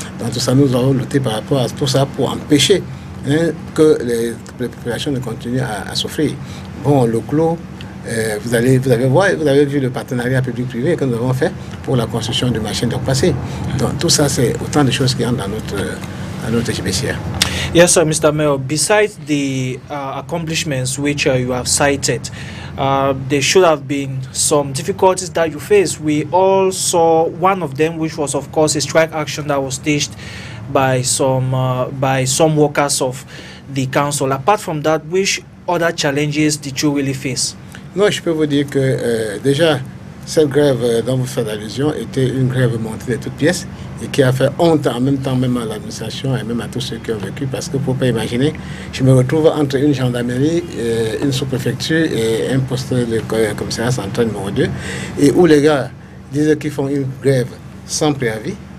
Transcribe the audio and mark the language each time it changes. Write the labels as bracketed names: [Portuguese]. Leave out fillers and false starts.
[French] Dans tout ça, nous avons lutté par rapport à tout ça pour empêcher que les populations ne continuent à souffrir. Bon, le clos, vous avez vu le partenariat public-privé que nous avons fait pour la construction de machines de passer. Donc tout ça, c'est autant de choses qui entrent dans notre GBCR. [English] Yes, sir, Mr. Mayor, besides the accomplishments which you have cited, there should have been some difficulties that you faced. We all saw one of them, which was, of course, a strike action that was staged by some workers of the council. Apart from that, which other challenges did you really face? [French] Non, je peux vous dire que déjà, cette grève dont vous faites allusion était une grève montée de toutes pièces et qui a fait honte en même temps même à l'administration et même à tous ceux qui ont vécu, parce que pour pas imaginer, je me retrouve entre une gendarmerie, une sous-préfecture et un poste de commissariat central numéro 2, et où les gars disent qu'ils font une grève sans préavis.